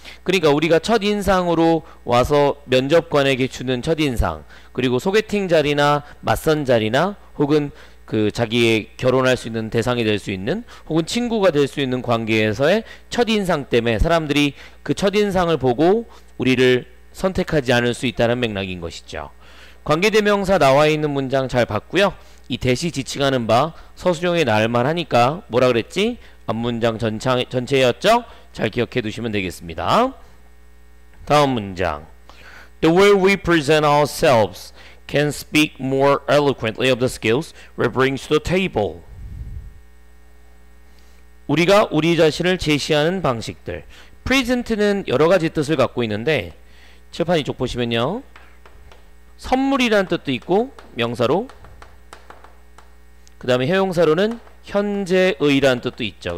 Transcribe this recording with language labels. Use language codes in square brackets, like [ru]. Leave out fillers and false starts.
[ko] 그러니까 우리가 첫인상으로 와서 면접관에게 주는 첫인상, 그리고 소개팅 자리나 맞선 자리나 혹은 그 자기의 결혼할 수 있는 대상이 될 수 있는 혹은 친구가 될 수 있는 관계에서의 첫인상 때문에 사람들이 그 첫인상을 보고 우리를 선택하지 않을 수 있다는 맥락인 것이죠. 관계대명사 나와있는 문장 잘 봤고요. 이 대시 지칭하는 바 서술형에 나을만 하니까 뭐라 그랬지? 앞문장 전체였죠? 잘 기억해 두시면 되겠습니다. 다음 문장. [en] The way we present ourselves can speak more eloquently of the skills we bring to the table. [ko] 우리가 우리 자신을 제시하는 방식들. Present는 여러가지 뜻을 갖고 있는데 칠판 이쪽 보시면요, 선물이라는 뜻도 있고 명사로, 그 다음에 형용사로는 현재의라는 뜻도 있죠.